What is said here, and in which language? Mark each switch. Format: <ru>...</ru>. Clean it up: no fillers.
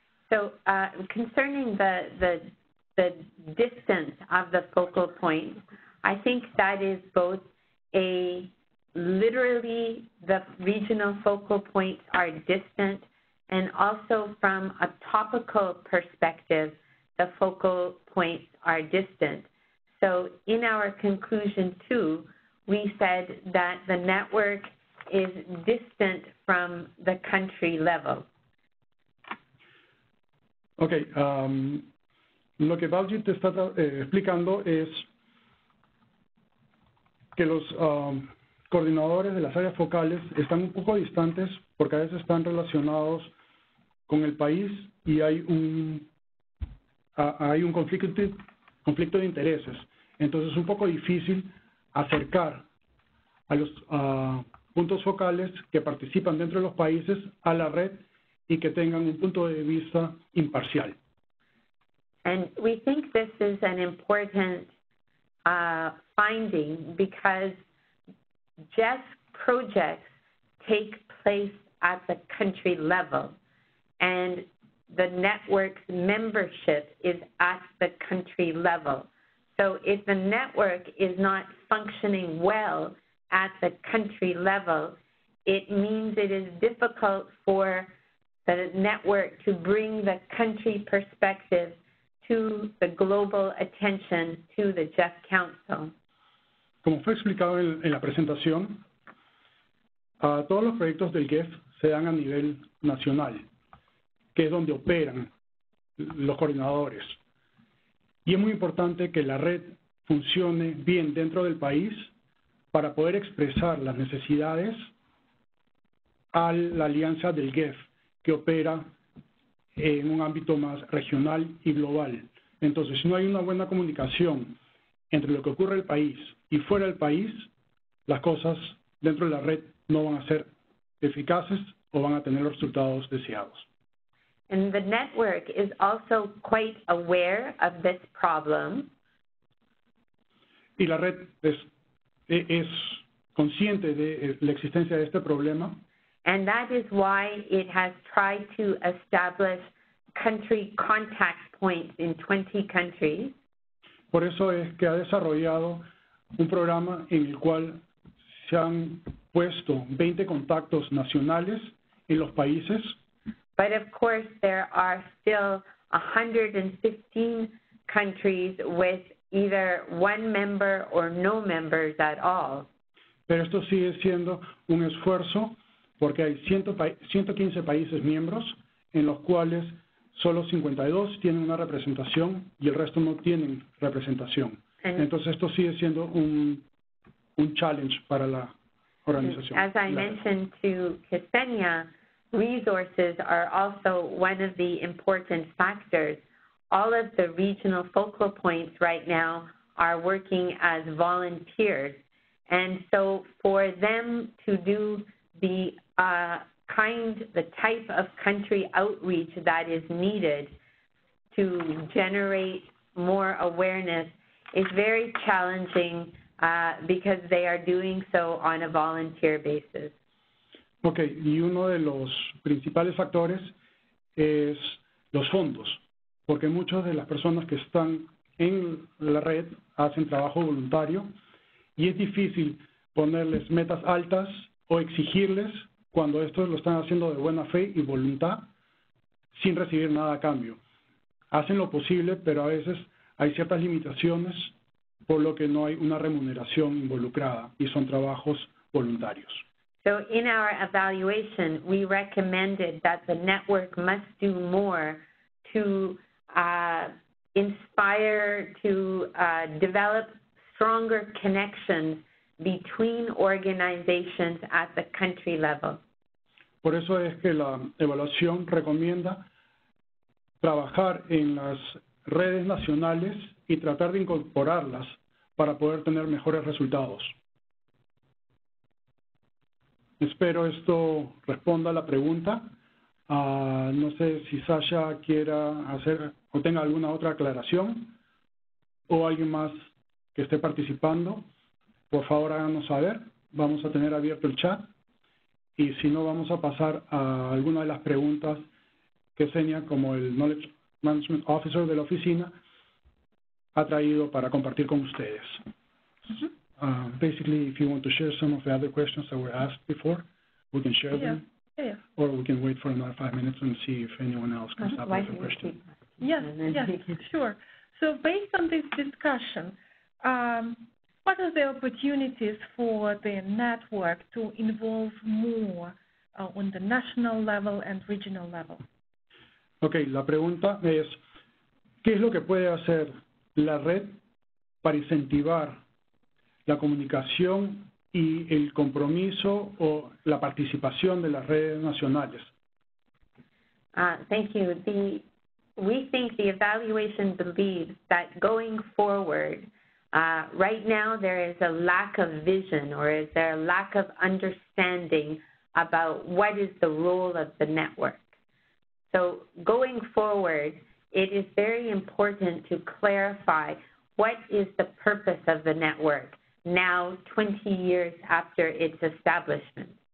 <en>So concerning the distance of the focal point, I think that is both literally the regional focal points are distant, and also from a topical perspective, the focal points are distant. So in our conclusion two, we said that the network is distant from the country level.</en> <es>Okay, lo que Baljit te está explicando es que los coordinadores de las áreas focales están un poco distantes porque a veces están relacionados con el país y hay un hay un conflicto de intereses. Entonces, es un poco difícil acercar a los puntos focales que participan dentro de los países a la red y que tengan un punto de vista imparcial.</es> <en>And we think this is an important finding because GEF projects take place at the country level and the network's membership is at the country level. So if the network is not functioning well at the country level, it means it is difficult for the network to bring the country perspective to the global attention to the GEF Council.</en> <es>Como fue explicado en la presentación, todos los proyectos del GEF se dan a nivel nacional, que es donde operan los coordinadores. Y es muy importante que la red funcione bien dentro del país para poder expresar las necesidades a la alianza del GEF, que opera en un ámbito más regional y global. Entonces, si no hay una buena comunicación entre lo que ocurre en el país y fuera del país, las cosas dentro de la red no van a ser eficaces o van a tener los resultados deseados.</es> <en>And the network is also quite aware of this problem.</en> <es>Y la red es consciente de la existencia de este problema.</es> <en>And that is why it has tried to establish country contact points in 20 countries.</en> <es>Por eso es que ha desarrollado un programa en el cual se han puesto 20 contactos nacionales en los países.</es> <en>But of course, there are still 115 countries with either one member or no members at all.</en> <es>Pero esto sigue siendo un esfuerzo porque hay 115 países miembros en los cuales solo 52 tienen una representación y el resto no tienen representación. And entonces esto sigue siendo un challenge para la organización.</es> <en>As I mentioned to Ksenia, resources are also one of the important factors. All of the regional focal points right now are working as volunteers. And so for them to do the type of country outreach that is needed to generate more awareness is very challenging because they are doing so on a volunteer basis.</en> <es>Okay, y uno de los principales factores es los fondos, porque muchas de las personas que están en la red hacen trabajo voluntario y es difícil ponerles metas altas o exigirles cuando estos lo están haciendo de buena fe y voluntad sin recibir nada a cambio. Hacen lo posible, pero a veces hay ciertas limitaciones por lo que no hay una remuneración involucrada y son trabajos voluntarios.</es> <en>So in our evaluation, we recommended that the network must do more to inspire, to develop stronger connections between organizations at the country level.</en> <es>Por eso es que la evaluación recomienda trabajar en las redes nacionales y tratar de incorporarlas para poder tener mejores resultados. Espero esto responda a la pregunta. No sé si Sasha quiera hacer o tenga alguna otra aclaración o alguien más que esté participando. Por favor, háganos saber. Vamos a tener abierto el chat. Y si no, vamos a pasar a alguna de las preguntas que Ksenia, como el</es> <en>Knowledge Management Officer</en> <es>de la oficina, ha traído para compartir con ustedes. Uh-huh.</es> <en>Basically, if you want to share some of the other questions that were asked before, we can share them. Yeah. Or we can wait for another 5 minutes and see if anyone else comes up with a question. Yes, sure. So based on this discussion, what are the opportunities for the network to involve more on the national level and regional level?</en> <es>Okay, la pregunta es, ¿qué es lo que puede hacer la red para incentivar la comunicación y el compromiso o la participación de las redes nacionales?</es> <en>Thank you. The we think the evaluation believes that going forward, right now there is a lack of vision, or is there a lack of understanding about what is the role of the network. So going forward, it is very important to clarify what is the purpose of the network now 20 years after its establishment.</en>